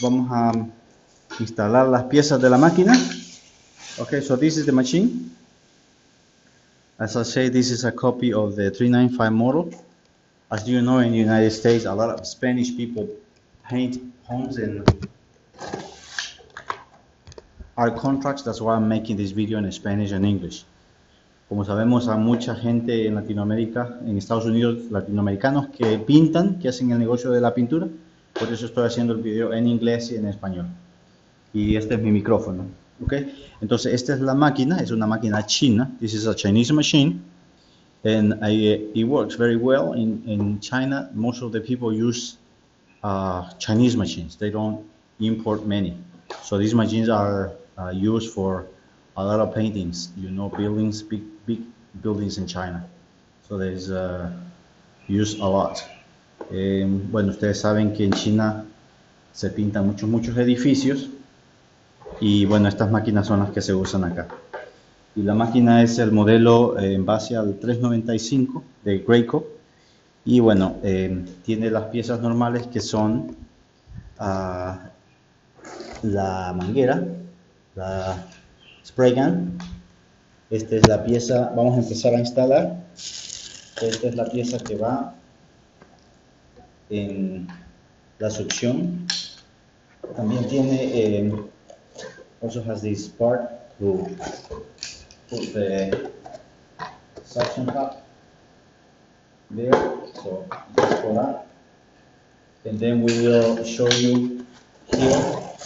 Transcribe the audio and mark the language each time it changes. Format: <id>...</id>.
<es>Vamos a instalar las piezas de la máquina.</es> <en>Okay, so this is the machine. As I say, this is a copy of the 395 model. As you know, in the United States, a lot of Spanish people paint homes and our contracts, that's why I'm making this video in Spanish and English.</en> <es>Como sabemos, hay mucha gente en Latinoamérica, en Estados Unidos, latinoamericanos que pintan, que hacen el negocio de la pintura. Por eso estoy haciendo el video en inglés y en español. Y este es mi micrófono. Okay? Entonces, esta es la máquina, es una máquina china.</es> <en>This is a Chinese machine. And it works very well. In China, most of the people use Chinese machines. They don't import many. So these machines are used for a lot of paintings, you know, buildings, big buildings in China. So there's used a lot.</en> <es>Bueno, ustedes saben que en China se pintan muchos edificios. Y bueno, estas máquinas son las que se usan acá. Y la máquina es el modelo en base al 395 de Greco. Y bueno, tiene las piezas normales que son la manguera, la spray gun. Esta es la pieza, vamos a empezar a instalar. Esta es la pieza que va en la succión. También tiene,</es> <en>also has this part to put the suction cup there. So just for that. And then we will show you here.</en>